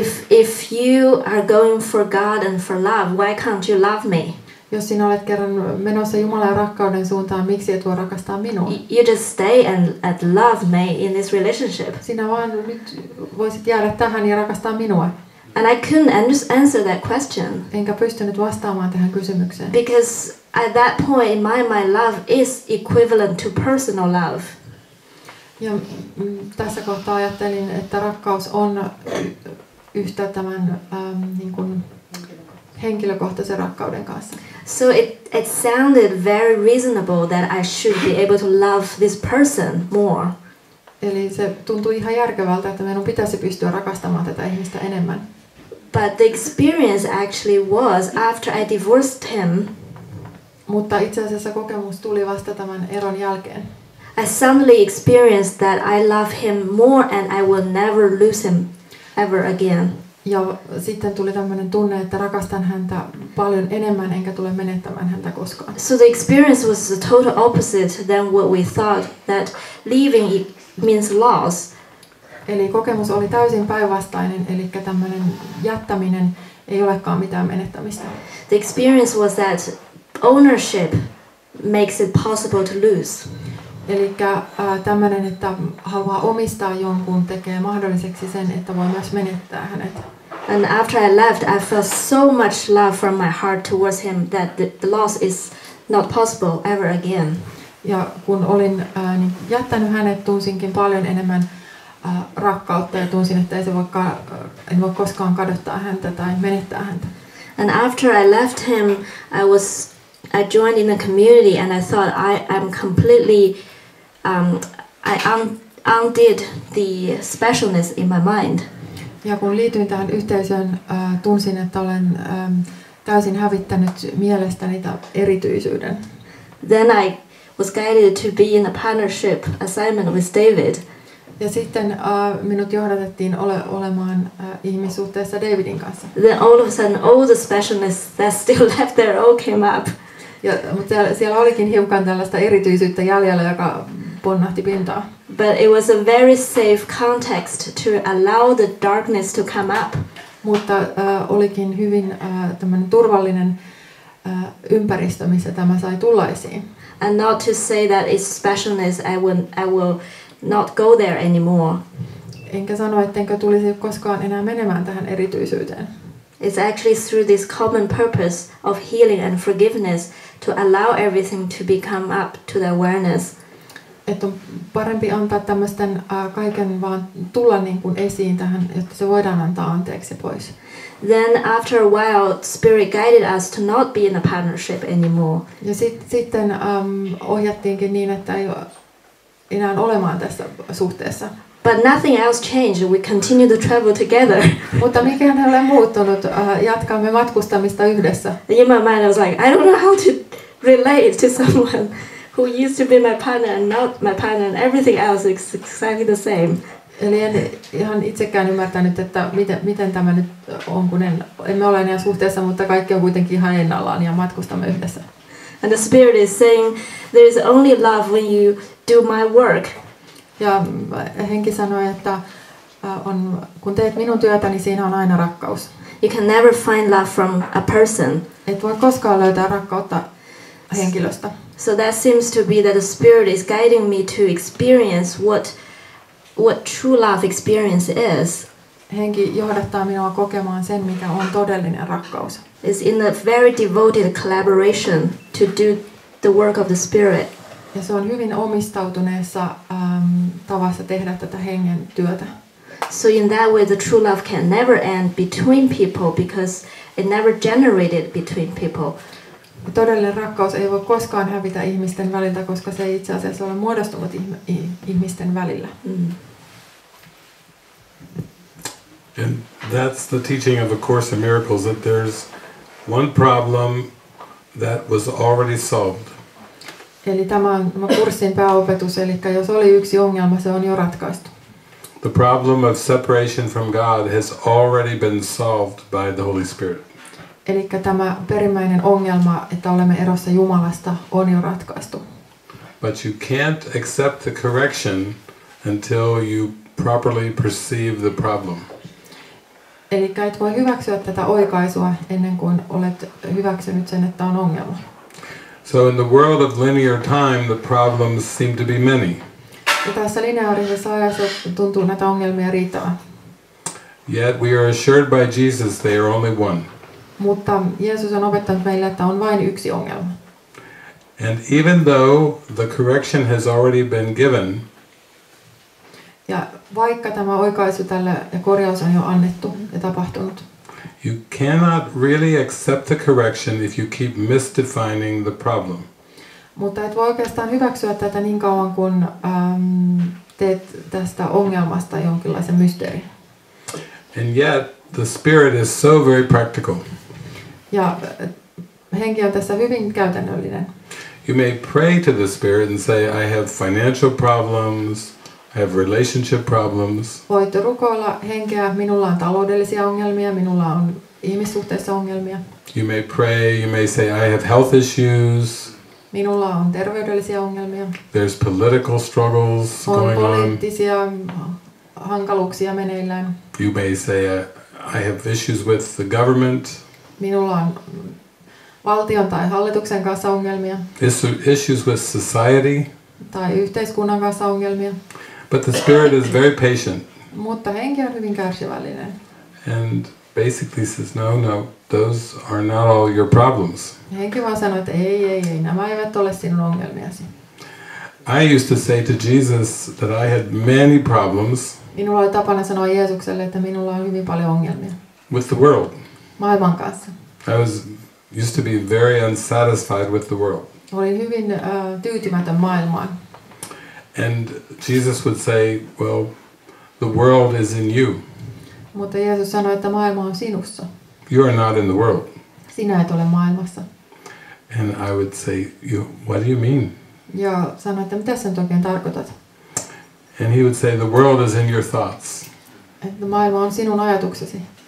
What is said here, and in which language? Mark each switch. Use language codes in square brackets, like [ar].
[en] If you are going for God and for love, why can't you love me? [fi] Jos sinä olet kerran menossa Jumalan rakkauden suuntaan, miksi et voi rakastaa minua? [en] You just stay and love me in this relationship. [fi] Sinä vaan nyt voisit jäädä tähän ja rakastaa minua. [en] And I couldn't answer that question. [fi] Enkä pystynyt vastaamaan tähän kysymykseen. [en] Because at that point in my love is equivalent to personal love. [fi] Ja tässä kohtaa ajattelin, että rakkaus on yhtä tämän niin kuin henkilökohtaisen rakkauden kanssa. [en] So it sounded very reasonable that I should be able to love this person more. [fi] Eli se tuntui ihan järkevältä, että meidän pitäisi pystyä rakastamaan tätä ihmistä enemmän. [en] But the experience actually was after I divorced him. [fi] Mutta itse asiassa kokemus tuli vasta tämän eron jälkeen. [en] I suddenly experienced that I love him more and I will never lose him ever again. [fi] Ja sitten tuli tämmöinen tunne, että rakastan häntä paljon enemmän enkä tule menettämään häntä koskaan. [en] So the experience was the total opposite than what we thought, that leaving it means loss. [fi] Eli kokemus oli täysin päinvastainen, eli tämmöinen jättäminen ei olekaan mitään menettämistä. [en] The experience was that ownership makes it possible to lose. [fi] Eli tämmöinen, että haluaa omistaa jonkun, tekee mahdolliseksi sen, että voi myös menettää hänet. [en] And after I left, I felt so much love from my heart towards him that the loss is not possible ever again. [fi] Ja kun olin niin jättänyt hänet, tunsinkin paljon enemmän rakkautta ja tunsin, että en voi koskaan kadottaa häntä tai menettää häntä. [en] And after I left him, I joined in the community and I thought I'm completely undid the specialness in my mind. [fi] Ja kun liityin tähän yhteisöön, tunsin, että olen täysin hävittänyt mielestäni tämän erityisyyden. [en] Then I was guided to be in a partnership assignment with David. [fi] Ja sitten minut johdatettiin olemaan ihmissuhteessa Davidin kanssa. [en] Then all of a sudden all the specialness that still left there all came up. [fi] Ja, mutta siellä olikin hiukan tällaista erityisyyttä jäljellä, joka ponnahti pintaa. [en] But it was a very safe context to allow the darkness to come up. [fi] Mutta olikin hyvin tämmöinen turvallinen ympäristö, missä tämä sai tulla esiin. [en] And not to say that it's specialness, I will not go there anymore. [fi] Enkä sano, ettenkö tulisi koskaan enää menemään tähän erityisyyteen. [en] It's actually through this common purpose of healing and forgiveness to allow everything to become up to the awareness. [fi] Et on parempi antaa tämmöisten kaiken vaan tulla niin kuin esiin tähän, jotta se voidaan antaa anteeksi pois. [en] Then after a while, spirit guided us to not be in a partnership anymore. [fi] Ja sitten ohjattiinkin niin, että ei enää olemaan tässä suhteessa. [en] But nothing else changed. We continue to travel together. [fi] Mutta mikään ei ole muuttunut. Jatkamme matkustamista yhdessä. [en] In my mind, I was like, I don't know how to relate to someone who used to be my partner and not my partner, and everything else is exactly the same. [fi] Eli en ihan itsekään ymmärtänyt, että miten tämä nyt on, kun emme ole enää suhteessa, mutta kaikki on kuitenkin ihan ennallaan ja matkustamme yhdessä. [en] And the spirit is saying, there is only love when you do my work. [fi] Ja henki sanoi, että on, kun teet minun työtäni, niin siinä on aina rakkaus. [en] You can never find love from a person. [fi] Et voi koskaan löytää rakkautta henkilöstä. [en] So that seems to be that the spirit is guiding me to experience what true love experience is. [fi] Henki johdattaa minua kokemaan sen, mikä on todellinen rakkaus. [en] It's in a very devoted collaboration to do the work of the spirit. [fi] Ja se on hyvin omistautuneessa tavassa tehdä tätä hengen työtä. [en] So in that way the true love can never end between people because it never generated between people. [fi] Todellinen rakkaus ei voi koskaan hävitä ihmisten väliltä, koska se ei itse asiassa ole muodostunut ihmisten välillä. Mm. [en] And that's the teaching of A Course in Miracles, that there's one problem that was already solved. [fi] Eli tämä on kurssin pääopetus, eli jos oli yksi ongelma, se on jo ratkaistu. [en] The problem of separation from God has already been solved by the Holy Spirit. [fi] Eli tämä perimmäinen ongelma, että olemme erossa Jumalasta, on jo ratkaistu. [en] But you can't accept the correction until you properly perceive the problem. [fi] Eli et voi hyväksyä tätä oikaisua ennen kuin olet hyväksynyt sen, että on ongelma. [en] So in the world of linear time, the problems seem to be many. [fi] Tässä lineaarisessa ajassa tuntuu näitä ongelmia riittävän. [en] Yet we are assured by Jesus they are only one. [fi] Mutta Jeesus on opettanut meille, että on vain yksi ongelma. [en] And even though the correction has already been given, [fi] Ja vaikka tämä oikaisu tällä ja korjaus on jo annettu ja tapahtunut. [en] You cannot really accept the correction if you keep misdefining the problem. [fi] Mutta et voi oikeastaan hyväksyä tätä niin kauan kuin teet tästä ongelmasta jonkinlaisen mysteerin. [en] And yet the spirit is so very practical. [fi] Ja henki on tässä hyvin käytännöllinen. [en] You may pray to the spirit and say, I have financial problems. I have relationship problems. [fi] Voit rukoilla henkeä, minulla on taloudellisia ongelmia, minulla on ihmissuhteissa ongelmia. [en] You may pray, you may say, I have health issues. [fi] Minulla on terveydellisiä ongelmia. [en] There's political struggles going on. [fi] On poliittisia hankaluuksia meneillään. [en] You may say, I have issues with the government. [fi] Minulla on valtion tai hallituksen kanssa ongelmia. [en] Issues with society. [fi] Tai yhteiskunnan kanssa ongelmia. [en] But the spirit is very patient. [fi] Mutta henki on hyvin kärsivällinen. [en] And basically says, no, those are not all your problems. [fi] Henki vaan sanoo, että ei, nämä eivät ole sinun ongelmiasi. [en] I used to say to Jesus that I had many problems. [fi] Minulla oli tapana sanoa Jeesukselle, että minulla on hyvin paljon ongelmia. [en] With the world. [fi] Maailman kanssa. [en] I was used to be very unsatisfied with the world. [fi] Olin hyvin tyytymätön maailmaan. [en] And Jesus would say, well, the world is in you. [fi] Mutta Jeesus sanoi, että maailma on sinussa. [en] You are not in the world. [fi] Sinä et ole maailmassa. [en] And I would say, you, what do you mean? [fi] Ja sanoi, että mitä sä nyt oikein tarkoitat? [en] And he would say, the world is in your thoughts. [fi] Että maailma on sinun ajatuksesi.